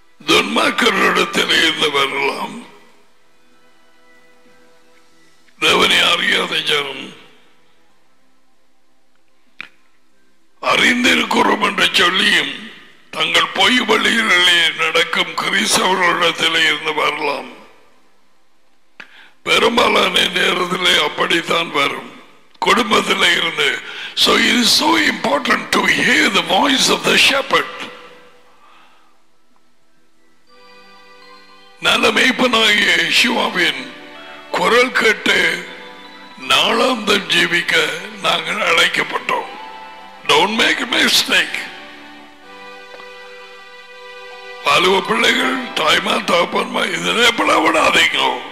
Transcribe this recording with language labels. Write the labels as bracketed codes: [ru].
[ta] துன்மார்க்கரிடத்திலே இருந்து வரலாம், தேவனை அறியாத ஜனம் அறிந்திருக்கிறோம் என்று சொல்லியும் தங்கள் பொய் வழிகளிலே நடக்கும் கிறிஸ்தவர்களிடத்திலே இருந்து வரலாம். பெரும்பாலான நேரத்திலே அப்படித்தான் வரும். குடும்பத்திலே இருந்து [en] So it is so important to hear the voice of the shepherd. [ta] நல்ல மேய்ப்பனாகிய யேசுவின் குரல் கேட்டு நாளாந்தம் ஜீவிக்க நாங்கள் அழைக்கப்பட்டோம். [en] Don't make a mistake. [ta] பாலுவ பிள்ளைகள் தாய்மா தாப்பன்மா இதனை பிளவிடாதீங்க.